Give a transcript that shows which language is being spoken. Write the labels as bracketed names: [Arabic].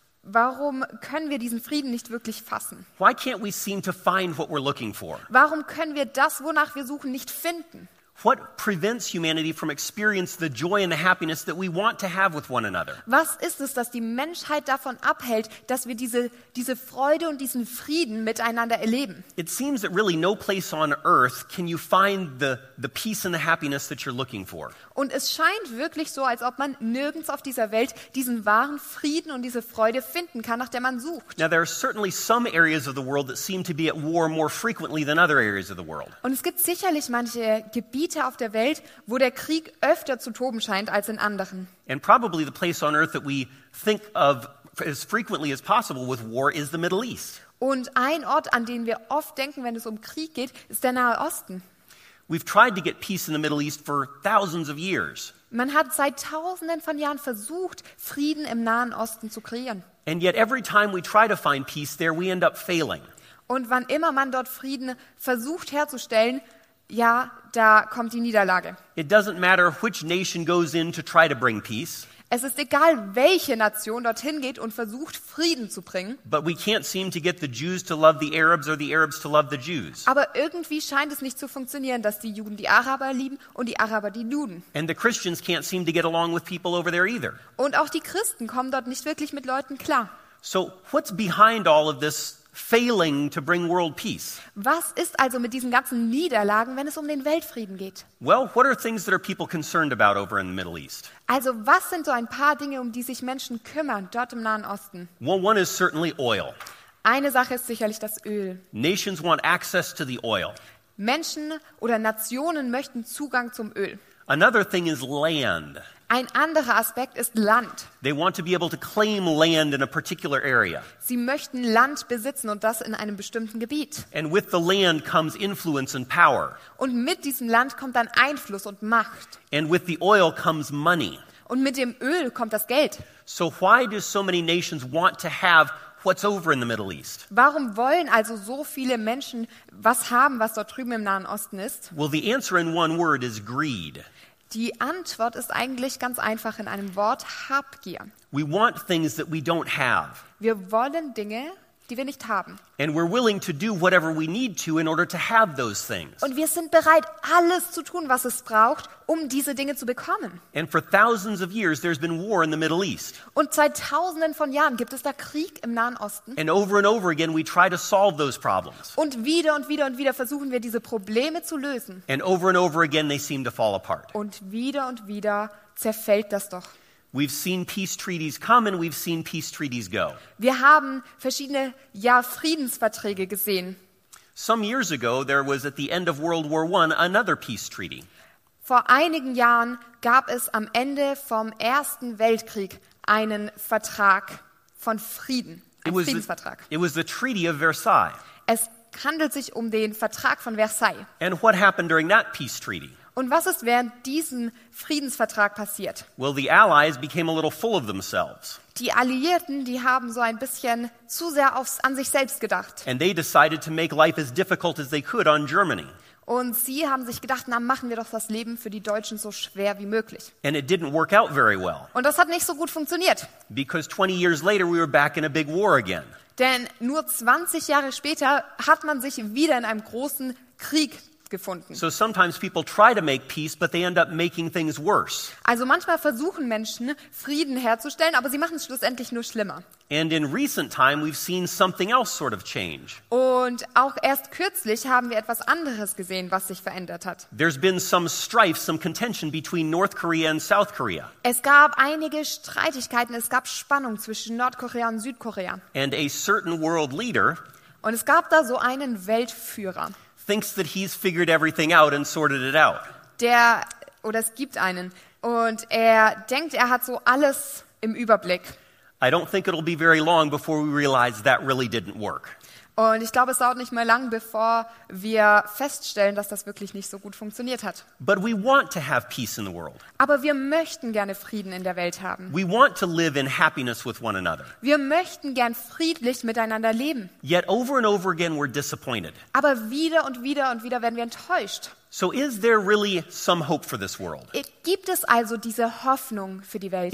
[German] Warum können wir diesen Frieden nicht wirklich fassen? [English] Why can't we seem to find what we're looking for? [German] Warum können wir das, wonach wir suchen, nicht finden? [English] What prevents humanity from experiencing the joy and the happiness that we want to have with one another? [German] Was ist es, das die Menschheit davon abhält, dass wir diese Freude und diesen Frieden miteinander erleben? [English] It seems that really no place on earth can you find the peace and the happiness that you're looking for. [German] Und es scheint wirklich so, als ob man nirgends auf dieser Welt diesen wahren Frieden und diese Freude finden kann, nach der man sucht. [English] Now there are certainly some areas of the world that seem to be at war more frequently than other areas of the world. [German] Und es gibt sicherlich manche Gebiete auf der Welt, wo der Krieg öfter zu toben scheint als in anderen. [English] And probably the place on earth that we think of as frequently as possible with war is the Middle East. [German] Und ein Ort, an den wir oft denken, wenn es um Krieg geht, ist der Nahe Osten. [English] We've tried to get peace in the Middle East for thousands of years. [German] Man hat seit tausenden von Jahren versucht, Frieden im Nahen Osten zu kreieren. [English] And yet every time we try to find peace there, we end up failing. [German] Und wann immer man dort Frieden versucht herzustellen, ja, da kommt die Niederlage. [English] It doesn't matter which nation goes in to try to bring peace. [German] Es ist egal, welche Nation dorthin geht und versucht, Frieden zu bringen. [English] But we can't seem to get the Jews to love the Arabs or the Arabs to love the Jews. [German] Aber irgendwie scheint es nicht zu funktionieren, dass die Juden die Araber lieben und die Araber die Juden. [English] And the Christians can't seem to get along with people over there either. [German] Und auch die Christen kommen dort nicht wirklich mit Leuten klar. [English] So what's behind all of this failing to bring world peace? [German] Was ist also mit diesen ganzen Niederlagen, wenn es um den Weltfrieden geht? [English] Well, what are things that are people concerned about over in the Middle East? [German] Also, was sind so ein paar Dinge, um die sich Menschen kümmern dort im Nahen Osten? [English] Well, one is certainly oil. [German] Eine Sache ist sicherlich das Öl. [English] Nations want access to the oil. [German] Menschen oder Nationen möchten Zugang zum Öl. [English] Another thing is land. [German] Ein anderer Aspekt ist Land. [English] They want to be able to claim land in a particular area. [German] Sie möchten Land besitzen und das in einem bestimmten Gebiet. [English] And with the land comes influence and power. [German] Und mit diesem Land kommt dann Einfluss und Macht. [English] And with the oil comes money. [German] Und mit dem Öl kommt das Geld. [English] So why do so many nations want to have what's over in the Middle East? [German] Warum wollen also so viele Menschen was haben, was dort drüben im Nahen Osten ist? [English] Well, the answer in one word is greed. [German] Die Antwort ist eigentlich ganz einfach in einem Wort: Habgier. [English] We want things that we don't have. [German] Wir wollen Dinge, die wir nicht haben. [English] And we're willing to do whatever we need to in order to have those things. [German] Und wir sind bereit, alles zu tun, was es braucht, um diese Dinge zu bekommen. [English] And for thousands of years there's been war in the Middle East. [German] Und seit tausenden von Jahren gibt es da Krieg im Nahen Osten. [English] And over again we try to solve those problems. [German] Und wieder und wieder und wieder versuchen wir, diese Probleme zu lösen. [English] And over again they seem to fall apart. [German] Und wieder zerfällt das doch. [English] We've seen peace treaties come and we've seen peace treaties go. [German] Wir haben verschiedene, ja, Friedensverträge gesehen. [English] Some years ago there was at the end of World War I another peace treaty. [German] Vor einigen Jahren gab es am Ende vom Ersten Weltkrieg einen Vertrag von Frieden, einen Friedensvertrag. [English] It was the Treaty of Versailles. [German] Es handelt sich um den Vertrag von Versailles. [English] And what happened during that peace treaty? [German] Und was ist während diesem Friedensvertrag passiert? [English] Well, the Allies became a little full of themselves. [German] Die Alliierten, die haben so ein bisschen zu sehr an sich selbst gedacht. [English] And they decided to make life as difficult as they could on Germany. [German] Und sie haben sich gedacht, na, machen wir doch das Leben für die Deutschen so schwer wie möglich. [English] And it didn't work out very well. [German] Und das hat nicht so gut funktioniert. [English] Because 20 years later we were back in a big war again. [German] Denn nur 20 Jahre später hat man sich wieder in einem großen Krieg gefunden. [English] So sometimes people try to make peace, but they end up making things worse. [German] Also manchmal versuchen Menschen, Frieden herzustellen, aber sie machen es schlussendlich nur schlimmer. [English] And in recent time we've seen something else sort of change. [German] Und auch erst kürzlich haben wir etwas anderes gesehen, was sich verändert hat. [English] There's been some strife, some contention between North Korea and South Korea. [German] Es gab einige Streitigkeiten, es gab Spannung zwischen Nordkorea und Südkorea. [English] And a certain world leader. [German] Und es gab da so einen Weltführer. [English] Thinks that he's figured everything out and sorted it out. [German] Der, oder es gibt einen, und er denkt, er hat so alles im Überblick. [English] I don't think it'll be very long before we realize that really didn't work. [German] Und ich glaube, es dauert nicht mehr lang, bevor wir feststellen, dass das wirklich nicht so gut funktioniert hat. [English] But we want to have peace in the world. [German] Aber wir möchten gerne Frieden in der Welt haben. [English] We want to live in happiness with one another. [German] Wir möchten gern friedlich miteinander leben. [English] Yet over and over again we're disappointed. [German] Aber wieder und wieder und wieder werden wir enttäuscht. [English] So is there really some hope for this world? [German] Gibt es also diese Hoffnung für die Welt?